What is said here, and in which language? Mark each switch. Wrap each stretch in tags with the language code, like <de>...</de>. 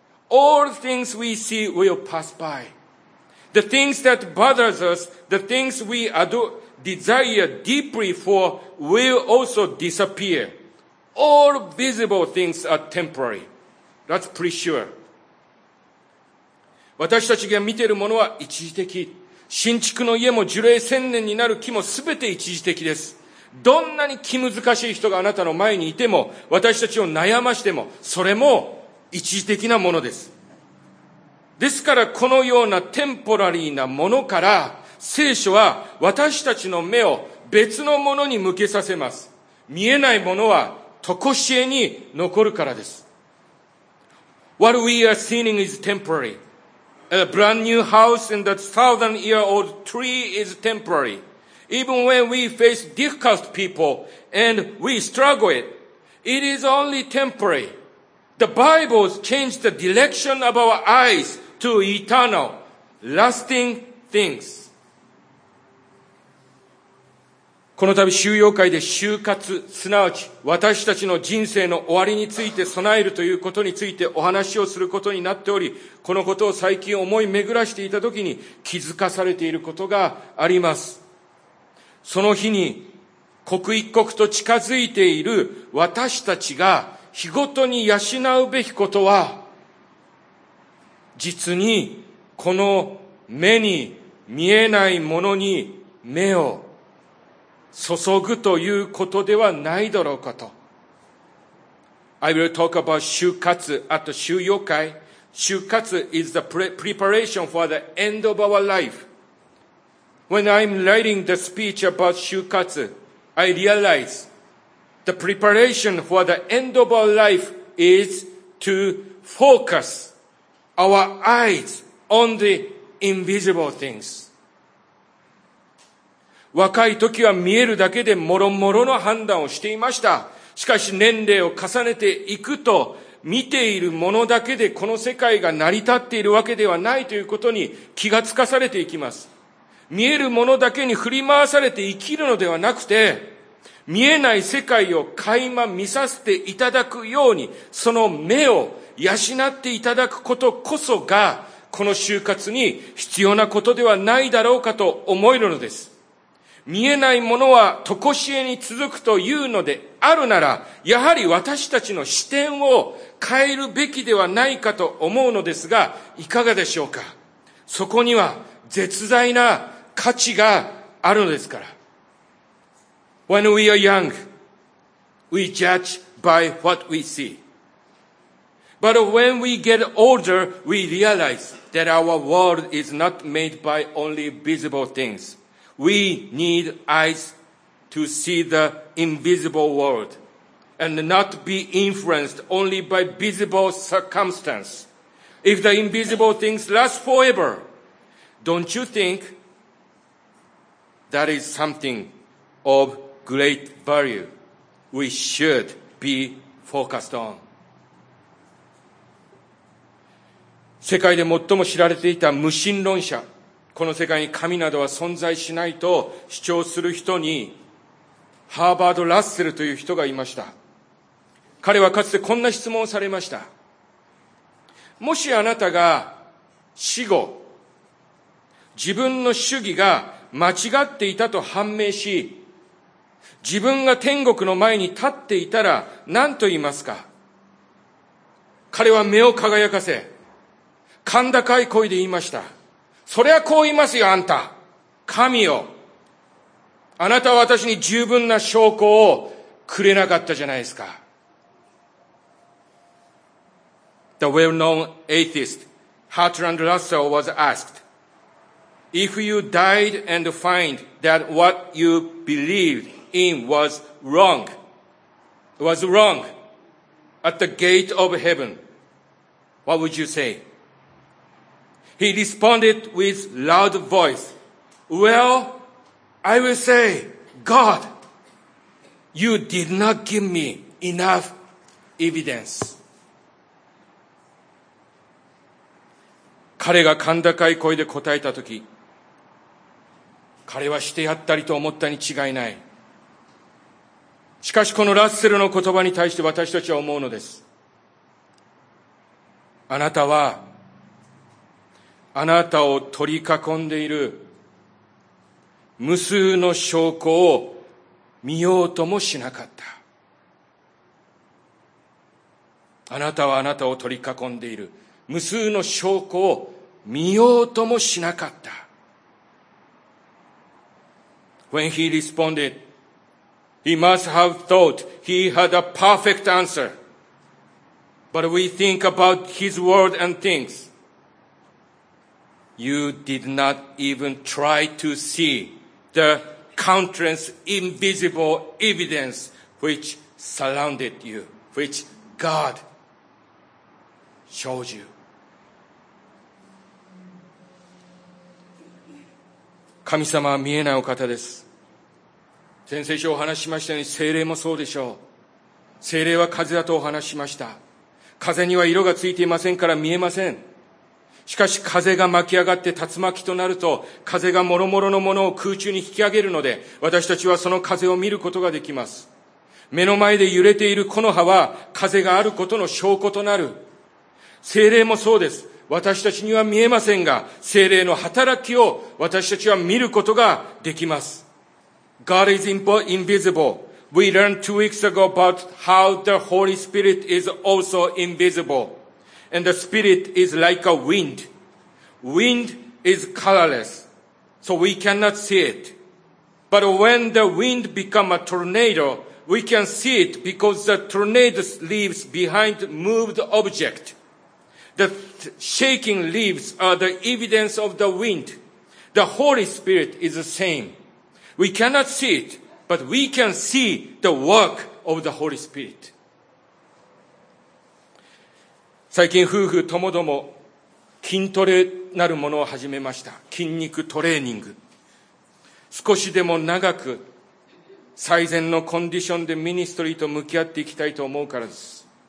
<en>All things we see will pass by. The things that bothers us, the things we desire deeply for will also disappear. All visible things are temporary. That's pretty sure.</en> <ja>私たちが見ているものは一時的。新築の家も樹齢千年になる木もすべて一時的です。どんなに気難しい人があなたの前にいても、私たちを悩ましても、それも一時的なものです。ですからこのようなテンポラリーなものから、聖書は私たちの目を別のものに向けさせます。見えないものは、とこしえに残るからです。</ja> <en>What we are seeing is temporary. A brand new house and a 1,000-year-old tree is temporary. Even when we face difficult people and we struggle it, it is only temporary. The Bible changed the direction of our eyes to eternal, lasting things.</en> <ja>この度収容会で終活、すなわち私たちの人生の終わりについて備えるということについてお話をすることになっており、このことを最近思い巡らしていたときに気づかされていることがあります。その日に刻一刻と近づいている私たちが日ごとに養うべきことは、実にこの目に見えないものに目を注ぐということではないだろうかと。</ja> <en>I will talk about 終活 at 終了会。 終活 is the preparation for the end of our life. When I'm writing the speech about 終活, I realize the preparation for the end of our life is to focus our eyes on the invisible things.</en> <ja>若い時は見えるだけでもろもろの判断をしていました。しかし年齢を重ねていくと、見ているものだけでこの世界が成り立っているわけではないということに気がつかされていきます。見えるものだけに振り回されて生きるのではなくて、見えない世界を垣間見させていただくように、その目を養っていただくことこそが、この就活に必要なことではないだろうかと思えるのです。見えないものは、とこしえに続くというのであるなら、やはり私たちの視点を変えるべきではないかと思うのですが、いかがでしょうか。そこには、絶大な価値があるのですから。</ja> <en>When we are young, we judge by what we see. But when we get older, we realize that our world is not made by only visible things. We need eyes to see the invisible world and not be influenced only by visible circumstance. If the invisible things last forever,Don't you think that is something of great value we should be focused on?</en> <ja>世界で最も知られていた無神論者、この世界に神などは存在しないと主張する人に、ハーバード・ラッセルという人がいました。彼はかつてこんな質問をされました。もしあなたが死後、自分の主義が間違っていたと判明し、自分が天国の前に立っていたら何と言いますか。彼は目を輝かせ、甲高い声で言いました。そりゃこう言いますよ、あんた。神よ。あなたは私に十分な証拠をくれなかったじゃないですか。</ja> <en>The well-known atheist, Hartrand Russell was asked,If you died and find that what you believed in was wrong, was wrong at the gate of heaven, what would you say? He responded with loud voice, Well, I will say, God, you did not give me enough evidence.</en> <ja>彼が甲高い声で答えたとき、彼はしてやったりと思ったに違いない。しかしこのラッセルの言葉に対して私たちは思うのです。あなたは、あなたを取り囲んでいる無数の証拠を見ようともしなかった。あなたはあなたを取り囲んでいる無数の証拠を見ようともしなかった。</ja> <en>When he responded, he must have thought he had a perfect answer. But we think about his word and things. You did not even try to see the countless invisible evidence which surrounded you, which God showed you.</en> <ja>神様は見えないお方です。先生書お話しましたように聖霊もそうでしょう。聖霊は風だとお話しました。風には色がついていませんから見えません。しかし風が巻き上がって竜巻となると、風が諸々のものを空中に引き上げるので、私たちはその風を見ることができます。目の前で揺れている木の葉は風があることの証拠となる。聖霊もそうです。私たちには見えませんが、聖霊の働きを私たちは見ることができます。</ja> <en>God is invisible. We learned 2 weeks ago about how the Holy Spirit is also invisible. And the Spirit is like a wind. Wind is colorless, so we cannot see it. But when the wind becomes a tornado, we can see it because the tornado leaves behind moved object. The shaking leaves are the evidence of the wind. The Holy Spirit is the same. We cannot see it, but we can see the work of the Holy Spirit.</en> <ja>最近夫婦ともども筋トレなるものを始めました。筋肉トレーニング。少しでも長く最善のコンディションでミニストリーと向き合っていきたいと思うからです。</ja>